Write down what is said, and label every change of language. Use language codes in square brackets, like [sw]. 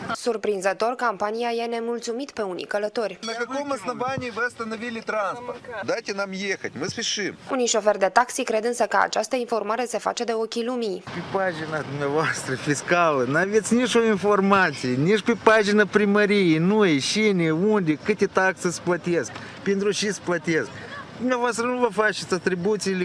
[ro] Surprinzător, campania e nemulțumit pe unii călători. [ru] На каком основании вы остановили транспорт? Дайте нам ехать, мы спешим. [ro] Unii șoferi de taxi cred însă că această informare se face de ochii lumii. Pe pagina dumneavoastră, fiscală, n-aveți nicio informație, nici pe pagina primăriei, nu e cine, unde, câte taxe îți plătesc. Pentru ce îți plătesc? Dumneavoastră nu vă faceți atribuțiile.